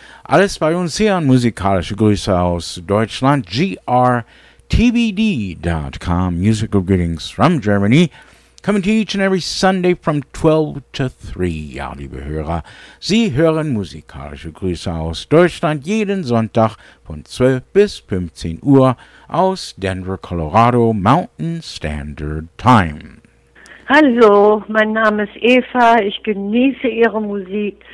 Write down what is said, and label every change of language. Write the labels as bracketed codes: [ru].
[de] Alles bei uns hier an musikalische Grüße aus Deutschland. [en] grtvd.com. Musical greetings from Germany. Coming to each and every Sunday from 12 to 3. [de] Ja, liebe Hörer, Sie hören musikalische Grüße aus Deutschland jeden Sonntag von 12 bis 15 Uhr aus Denver, Colorado, Mountain Standard Time. Hallo, mein Name ist Eva. Ich genieße Ihre Musik.